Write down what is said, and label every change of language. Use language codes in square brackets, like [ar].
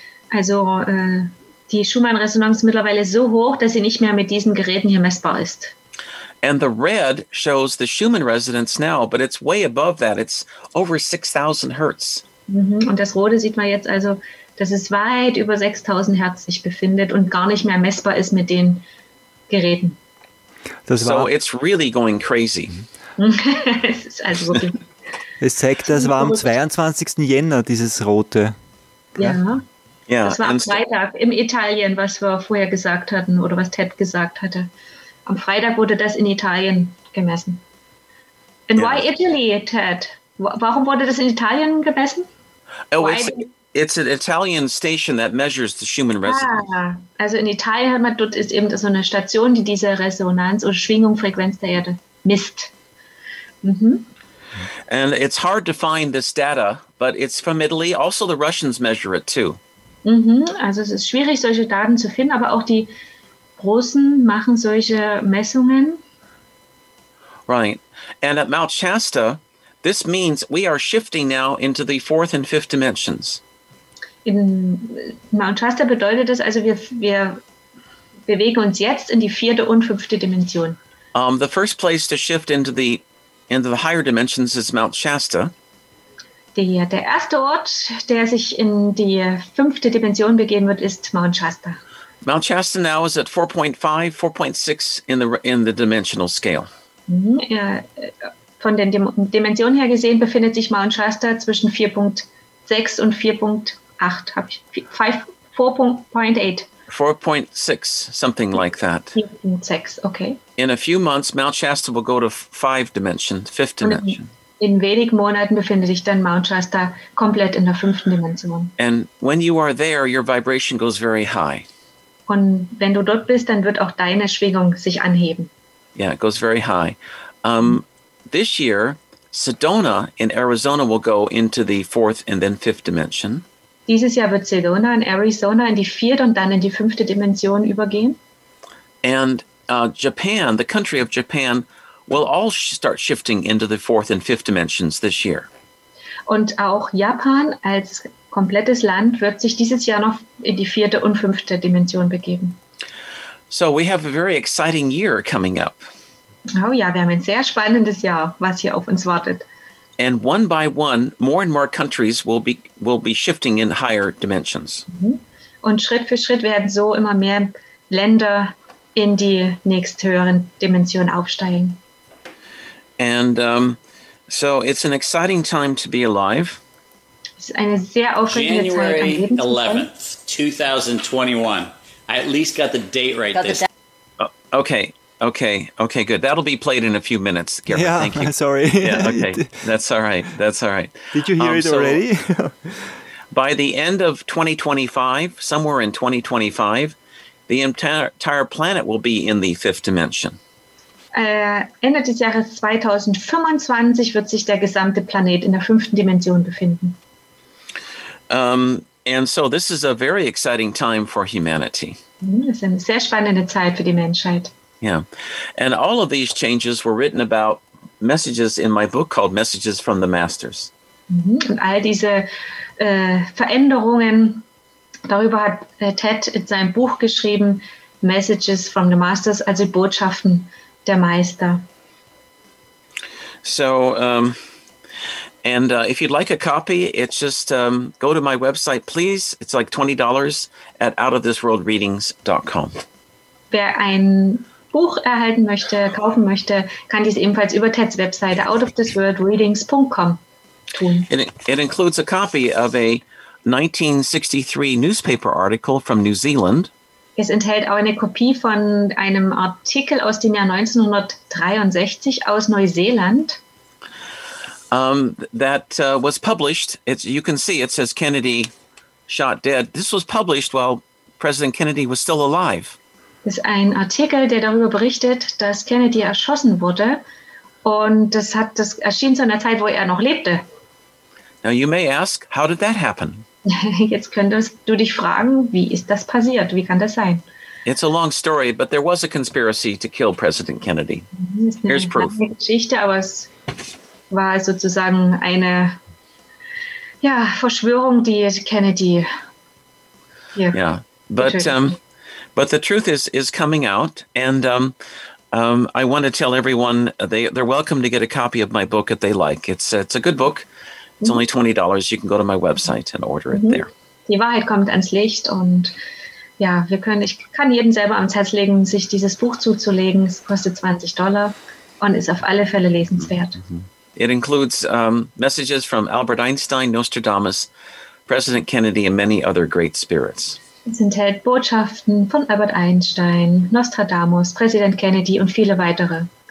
[de] Also die Schumann-Resonanz ist mittlerweile so hoch, dass sie nicht mehr mit diesen Geräten hier messbar ist. [en] And the red shows the Schumann resonance now, but it's way above that. It's over 6,000 hertz. [de] Und das Rote sieht man jetzt also, dass es weit über 6,000 hertz sich befindet und gar nicht mehr messbar ist mit den Geräten. [en] So it's really going crazy. [de] Es ist also wirklich. Es zeigt, das war am 22. Jänner, dieses Rote. Ja. Yeah. Das war am Freitag im Italien, was wir vorher gesagt hatten oder was Ted gesagt hatte. Am Freitag wurde das in Italien gemessen. [en] And yeah. Why Italy, Ted? [de] Warum wurde das in Italien gemessen? [en] Oh, it's an Italian station that measures the Schumann resonance. [de] Ah, also in Italien hat man dort ist eben so eine Station, die diese Resonanz oder Schwingungsfrequenz der Erde misst. [en] And it's hard to find this data, but it's from Italy. Also the Russians measure it too. [de] Also es ist schwierig, solche Daten zu finden, aber auch die Russen machen solche Messungen. [en] Right. And at Mount Shasta, this means we are shifting now into the fourth and fifth dimensions. [de] In Mount Shasta bedeutet das also, wir bewegen uns jetzt in die vierte und fünfte Dimension. [en] The first place to shift into the And the higher dimensions is Mount Shasta. [de] Der erste Ort, der sich in die fünfte Dimension begeben wird, ist Mount Shasta. [en] Mount Shasta now is at 4.5, 4.6 in the dimensional scale. [de] Von den Dimensionen her gesehen befindet sich Mount Shasta zwischen 4.6 und 4.8. [en] 4.6, something like that. 4.6, okay. In a few months, Mount Shasta will go to fifth dimension. [de] In wenigen Monaten befindet sich dann Mount Shasta komplett in der fünften Dimension. [en] And when you are there, your vibration goes very high. [de] Und wenn du dort bist, dann wird auch deine Schwingung sich anheben. [en] Yeah, it goes very high. This year, Sedona in Arizona will go into the fourth and then fifth dimension. [de] Dieses Jahr wird Sedona in Arizona in die vierte und dann in die fünfte Dimension übergehen. [en] And Japan, the country of Japan, will all start shifting into the fourth and fifth dimensions this year. [de] Und auch Japan als komplettes Land wird sich dieses Jahr noch in die vierte und fünfte Dimension begeben. [en] So we have a very exciting year coming up. [de] Oh ja, wir haben ein sehr spannendes Jahr, was hier auf uns wartet. [en] And one by one, more and more countries will be shifting in higher dimensions. [de] Und Schritt für Schritt werden so immer mehr Länder in die nächsthöheren Dimensionen aufsteigen. [en] And so it's an exciting time to be alive. [de] Es ist eine sehr aufregende [en] January [de] Zeit, am Leben zu sein. [en] 11th, 2021. I at least got the date right this time. Okay, good. That'll be played in a few minutes, Gerhard. Yeah, thank you. Sorry. Yeah, okay. That's all right. Did you hear it already? By the end of 2025, somewhere in 2025, the entire planet will be in the fifth dimension. [de] Ende des Jahres 2025 wird sich der gesamte Planet in der fünften Dimension befinden. [en] And so this is a very exciting time for humanity. [de] Das ist eine sehr spannende Zeit für die Menschheit. [en] Yeah. And all of these changes were written about messages in my book called Messages from the Masters. [de] Und all diese Veränderungen, darüber hat Ted in seinem Buch geschrieben, Messages from the Masters, also Botschaften der Meister. [en] So, if you'd like a copy, it's just go to my website, please. It's like $20 at outofthisworldreadings.com. [de] Wer ein Buch erhalten möchte, kaufen möchte, kann dies ebenfalls über Ted's Webseite outofthisworldreadings.com tun. [en] It includes a copy of a 1963 newspaper article from New Zealand. [de] Es enthält auch eine Kopie von einem Artikel aus dem Jahr 1963 aus Neuseeland. [en] That was published. You can see it says Kennedy shot dead. This was published while President Kennedy was still alive. [de] Ist ein Artikel, der darüber berichtet, dass Kennedy erschossen wurde, und das erschien zu einer Zeit, wo er noch lebte. [en] Now you may ask, how did that happen? [de] Jetzt könntest du dich fragen, wie ist das passiert? Wie kann das sein? [en] It's a long story, but there was a conspiracy to kill President Kennedy. Here's proof. [de] Eine Geschichte, aber es war sozusagen eine Verschwörung, die Kennedy. [en] But the truth is coming out, and I want to tell everyone they're welcome to get a copy of my book if they like. It's a good book. It's only $20. You can go to my website and order it there. [de] Die Wahrheit kommt ans Licht, und ich kann jedem selber ans Herz legen, sich dieses Buch zuzulegen. Es kostet $20 und ist auf alle Fälle lesenswert. [en] It includes messages from Albert Einstein, Nostradamus, President Kennedy, and many other great spirits. [de] Es enthält Botschaften von Albert Einstein, Nostradamus, Präsident Kennedy und viele weitere.